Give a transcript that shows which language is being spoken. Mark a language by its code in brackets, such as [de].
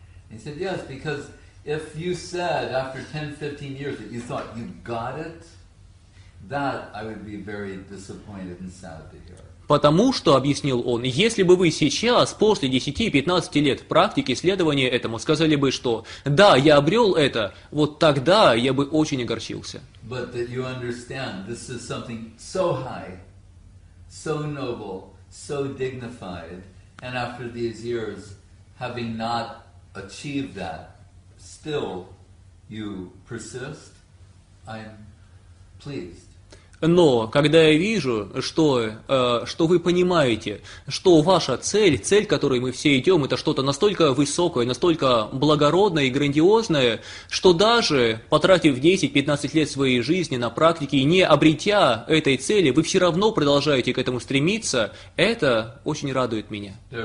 [en] He said, yes, because if you said after 10-15 years that you thought you got it, that I would be very disappointed and sad to hear. [ru] Потому что, объяснил он, если бы вы сейчас, после 10-15 лет практики, следования этому, сказали бы, что да, я обрел это, вот тогда я бы очень огорчился. [en] But that you understand, this is something so high, so noble, so dignified, and after these years, having not achieved that, still you persist, I'm pleased. [ru] Но когда я вижу, что, что вы понимаете, что ваша цель, цель, к которой мы все идем, это что-то настолько высокое, настолько благородное и грандиозное, что даже потратив 10-15 лет своей жизни на практике и не обретя этой цели, вы все равно продолжаете к этому стремиться, это очень радует меня.